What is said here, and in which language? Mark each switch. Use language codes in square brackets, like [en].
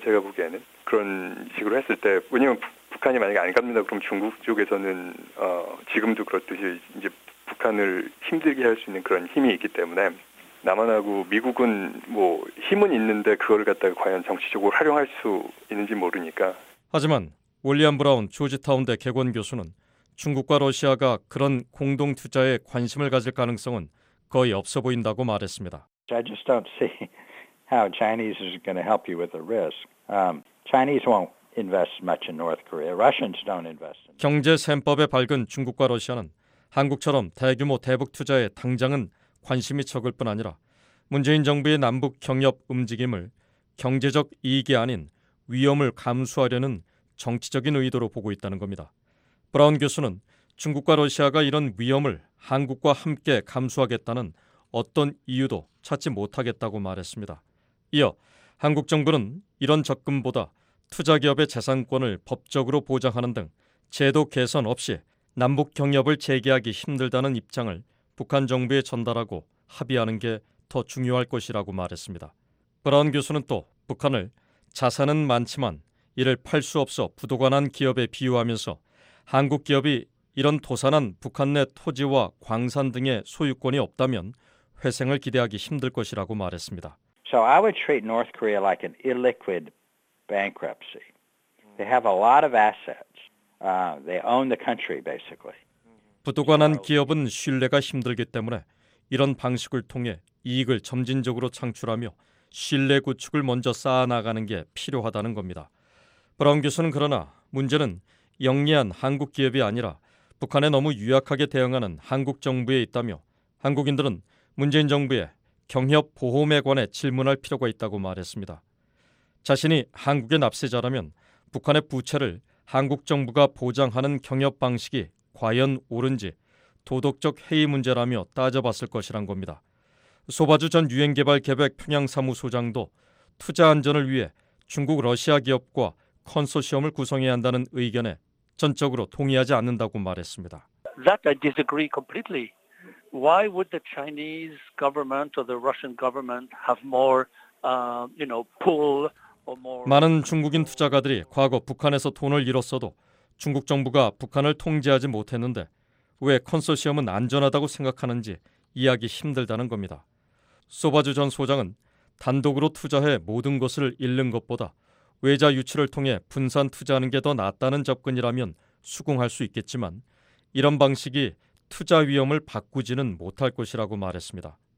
[ko] 제가 보기에는 그런 식으로 했을 때 왜냐면 북한이 만약에 안 갚는다 그럼 중국 쪽에서는 지금도 그렇듯이 이제 북한을 힘들게 할 수 있는 그런 힘이 있기 때문에 남한하고 미국은 뭐 힘은 있는데 그걸 갖다가 과연 정치적으로 활용할 수 있는지 모르니까. 하지만 윌리엄 브라운 조지타운대 객원 교수는 중국과 러시아가 그런 공동 투자에 관심을 가질 가능성은 거의 없어 보인다고 말했습니다. [en] I just don't see how Chinese is going to help you with the risk. Chinese won't invest much in North Korea. Russians don't invest. [ko] 경제 셈법에 밝은 중국과 러시아는 한국처럼 대규모 대북 투자에 당장은 관심이 적을 뿐 아니라 문재인 정부의 남북 경협 움직임을 경제적 이익이 아닌 위험을 감수하려는 정치적인 의도로 보고 있다는 겁니다. 브라운 교수는 중국과 러시아가 이런 위험을 한국과 함께 감수하겠다는 어떤 이유도 찾지 못하겠다고 말했습니다. 이어 한국 정부는 이런 접근보다 투자 기업의 재산권을 법적으로 보장하는 등 제도 개선 없이 남북 경협을 재개하기 힘들다는 입장을 북한 정부에 전달하고 합의하는 게 더 중요할 것이라고 말했습니다. 브라운 교수는 또 북한을 자산은 많지만 이를 팔 수 없어 부도관한 기업에 비유하면서 한국 기업이 이런 도산한 북한 내 토지와 광산 등의 소유권이 없다면 회생을 기대하기 힘들 것이라고 말했습니다. [en] So I would treat North Korea like an illiquid bankruptcy. They have a lot of assets. They own the country basically. [ko] 부도관한 기업은 신뢰가 힘들기 때문에 이런 방식을 통해 이익을 점진적으로 창출하며 신뢰 구축을 먼저 쌓아나가는 게 필요하다는 겁니다. 브라운 교수는 그러나 문제는 영리한 한국 기업이 아니라 북한에 너무 유약하게 대응하는 한국 정부에 있다며 한국인들은 문재인 정부의 경협 보험에 관해 질문할 필요가 있다고 말했습니다. 자신이 한국의 납세자라면 북한의 부채를 한국 정부가 보장하는 경협 방식이 과연 옳은지 도덕적 해이 문제라며 따져봤을 것이란 겁니다. 소바주 전 유엔개발계획 평양사무소장도 투자 안전을 위해 중국 러시아 기업과 컨소시엄을 구성해야 한다는 의견에 전적으로 동의하지 않는다고 말했습니다. [en] That I disagree completely. Why would the Chinese government or the Russian government have more, you know, pull or more? [ko] 많은 중국인 투자가들이 과거 북한에서 돈을 잃었어도 중국 정부가 북한을 통제하지 못했는데 왜 컨소시엄은 안전하다고 생각하는지 이해하기 힘들다는 겁니다. 소바주 전 소장은 단독으로 투자해 모든 것을 잃는 것보다 외자 유치를 통해 분산 투자하는 게 더 낫다는 접근이라면 수긍할 수 있겠지만 이런 방식이 투자 위험을 바꾸지는 못할 것이라고 말했습니다.